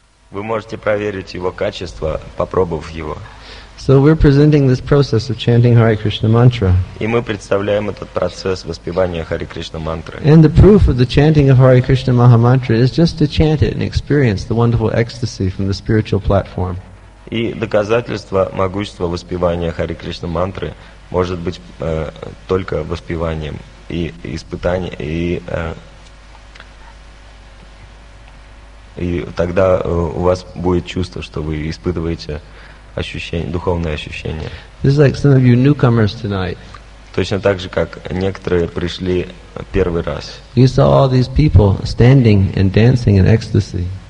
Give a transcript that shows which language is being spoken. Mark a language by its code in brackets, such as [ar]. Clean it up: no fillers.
[ru] Вы можете проверить его качество, попробовав его. [en] So we're presenting this process of chanting Hare Krishna mantra. [ru] И мы представляем этот процесс воспевания Hare Krishna mantra. [en] And the proof of the chanting of Hare Krishna Maha mantra is just to chant it and experience the wonderful ecstasy from the spiritual platform. [ru] И доказательство могущества воспевания Hare Krishna mantra может быть только воспеванием и испытанием и тогда у вас будет чувство, что вы испытываете ощущение, духовное ощущение. [en] This is like some of you newcomers tonight. [ru] Точно так же, как некоторые пришли первый раз. [en] You saw all these people standing and dancing in ecstasy.